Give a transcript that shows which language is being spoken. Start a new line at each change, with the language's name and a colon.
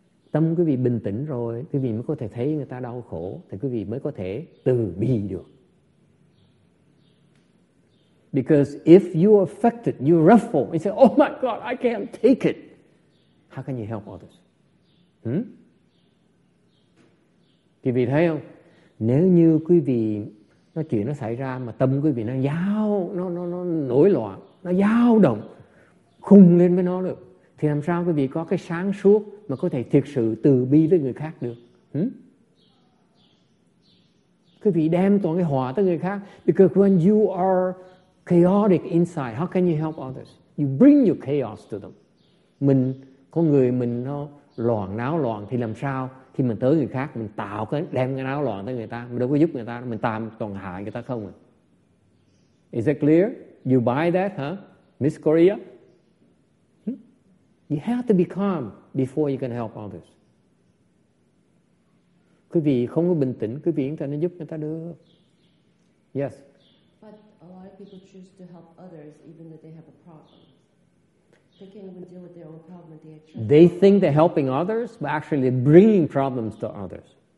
Vietnamese: Tâm quý vị bình tĩnh rồi, quý vị mới có thể thấy người ta đau khổ, thì quý vị mới có thể từ bi được.
English: Because if you are affected, you ruffle, you say, oh my God, I can't take it. How can you help others?
Vietnamese: Quý vị thấy không? Nếu như quý vị, nó chuyện nó xảy ra mà tâm quý vị nó dao, nó nổi loạn, nó dao động, khùng lên với nó được. Thì làm sao quý vị có cái sáng suốt mà có thể thực sự từ bi với người khác được? Quý vị đem toàn cái họa tới người khác.
English: Because when you are chaotic inside, how can you help others? You bring your chaos to them.
Vietnamese: Mình, có người mình nó loạn, náo loạn, thì làm sao khi mình tới người khác, mình tạo cái, đem cái náo loạn tới người ta, mình đâu có giúp người ta, mình tạm toàn hại người ta không?
English: Is that clear? You buy that, huh? Miss Korea? You have to be calm before you can help others.
Vietnamese: Quý vị không có bình tĩnh, quý vị không thể giúp người ta được.
English: Yes. But a lot of people choose to help others even though they have a problem. They can't even deal with their own problem. They think they're helping others, but actually bringing problems to others.